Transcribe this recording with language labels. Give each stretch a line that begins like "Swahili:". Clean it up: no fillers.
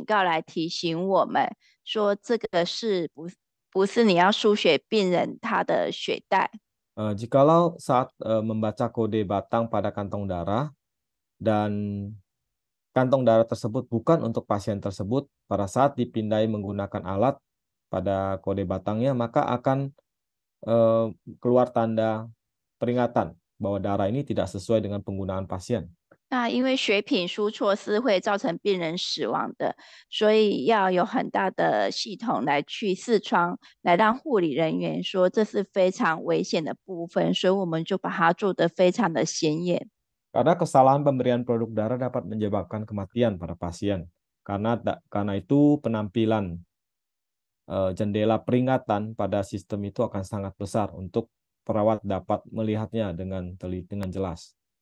Chinese: 那血袋要输到病人身上的时候，当我们刷进去发现就是有不同人的血袋的时候，系统就会有一个警告来提醒我们说这个是不。
Indonesian: Jikalau saat membaca kode batang pada kantong darah dan kantong darah tersebut bukan untuk pasien tersebut, pada saat dipindai menggunakan alat pada kode batangnya, maka akan keluar tanda peringatan bahwa darah ini tidak sesuai dengan penggunaan pasien.
Chinese: 那因为血品输错是会造成病人死亡的，所以要有很大的系统来去视窗，来让护理人员说这是非常危险的部分，所以我们就把它做得非常的显眼。
Indonesian: Karena kesalahan pemberian produk darah dapat menyebabkan kematian pada pasien. Karena itu penampilan jendela peringatan pada sistem itu akan sangat besar untuk perawat dapat melihatnya dengan jelas.